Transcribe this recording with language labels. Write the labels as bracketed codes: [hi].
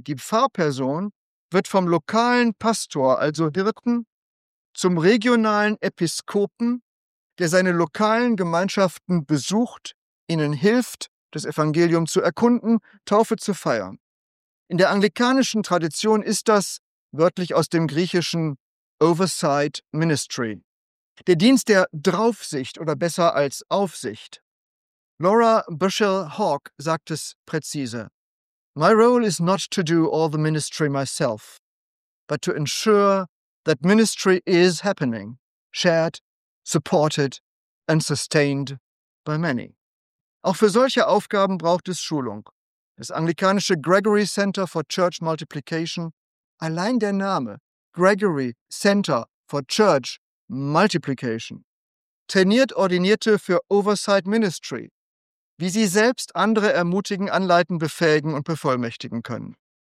[de] Die Pfarrperson wird vom lokalen Pastor, also Hirten, zum regionalen Episkopen, der seine lokalen Gemeinschaften besucht, ihnen hilft, das Evangelium zu erkunden, Taufe zu feiern. In der anglikanischen Tradition ist das, wörtlich aus dem Griechischen, [en] Oversight Ministry, [de] der Dienst der Draufsicht oder besser als Aufsicht. Laura Bushell-Hawk sagt es präzise: [en] My role is not to do all the ministry myself, but to ensure that ministry is happening, shared, supported and sustained by many. [de] Auch für solche Aufgaben braucht es Schulung. Das anglikanische Gregory Center for Church Multiplication, allein der Name Gregory Center for Church Multiplication, trainiert Ordinierte für Oversight Ministry, wie sie selbst andere ermutigen, anleiten, befähigen und bevollmächtigen können.